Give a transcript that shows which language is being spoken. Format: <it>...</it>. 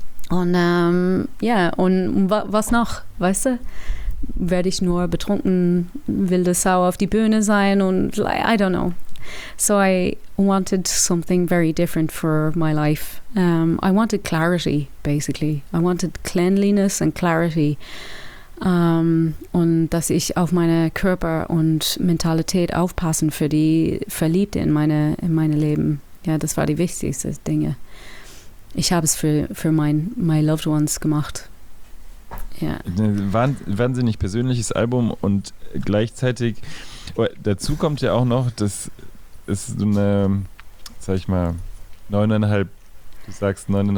<de>Und ja, was noch, weißt du, werde ich nur betrunken, wilde Sau auf die Bühne sein und</de> <en>I don't know. So I wanted something very different for my life. I wanted clarity, basically. I wanted cleanliness and clarity.</en> <de>Und dass ich auf meine Körper und Mentalität aufpassen für die Verliebte in meine Leben. Ja, das war die wichtigste Dinge. Ich habe es für</de> <en>my loved ones</en> <de>gemacht. Ja. Ein wahnsinnig persönliches Album und gleichzeitig, dazu kommt ja auch noch, dass ist so eine, sag ich mal, neuneinhalb Songs.</de>